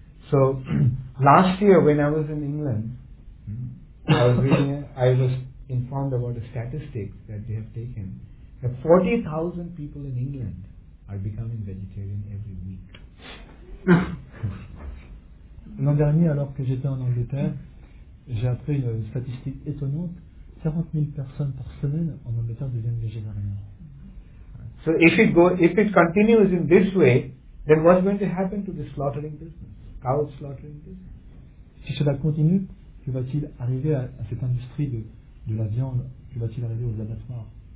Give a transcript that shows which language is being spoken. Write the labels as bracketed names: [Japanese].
[English] So, last year when I was in England, I was informed about a statistic that they have taken, that 40,000 people in England are becoming vegetarian every week. [French] L'an dernier, alors que j'étais en Angleterre, j'ai appris une statistique étonnante, 40 000 personnes par semaine en Angleterre deviennent végétariens. [English] So if it continues in this way, then what's going to happen to the slaughtering business, cow slaughtering business? [French] Si cela continue, que va-t-il arriver à cette industrie de la viande? Que va-t-il arriver aux abattoirs?